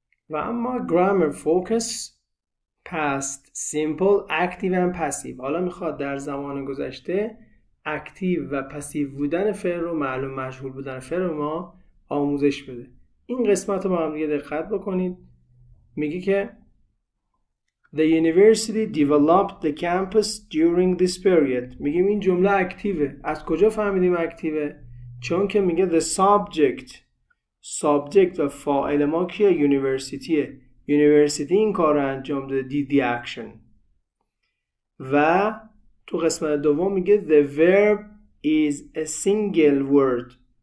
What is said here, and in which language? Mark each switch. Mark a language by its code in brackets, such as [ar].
[fa] و اما [en] grammar focus past simple active and passive، [fa] حالا میخواد در زمان گذشته active و passive بودن فعل رو معلوم مجهول بودن فعل رو ما آموزش بده. این قسمت رو با هم دیگه دقت بکنید. میگه که [en] The university developed the campus during this period. [fa] میگیم این جمله اکتیوه. از کجا فهمیدیم اکتیوه؟ چون که میگه [en] the subject. [fa] subject و فاعل ما کیه؟ universityه. university این کار رو انجام داده. [en] did the action. [fa] و تو قسمت دوم میگه [en] the verb is a single word.